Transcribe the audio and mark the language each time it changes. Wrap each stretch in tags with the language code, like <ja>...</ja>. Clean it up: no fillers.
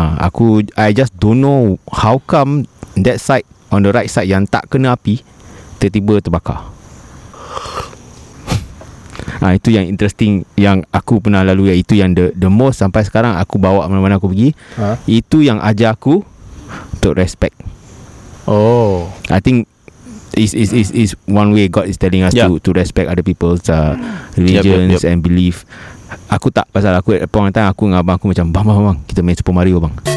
<en>Aku I just don't know how come that side on the right side</en> <ms>yang tak kena api tiba-tiba terbakar. Itu yang interesting yang aku pernah lalui. Itu yang</ms> <en>the most</en> <ms>sampai sekarang aku bawa mana-mana aku pergi. Itu yang ajar aku untuk respect. Oh,</ms> <en>I think is one way God is telling us to respect other people's religions and belief.</en> <ms>Aku tak, pasal aku</ms> <en>at point time</en> <ms>aku dengan abang aku macam bang, kita main Super Mario bang.</ms>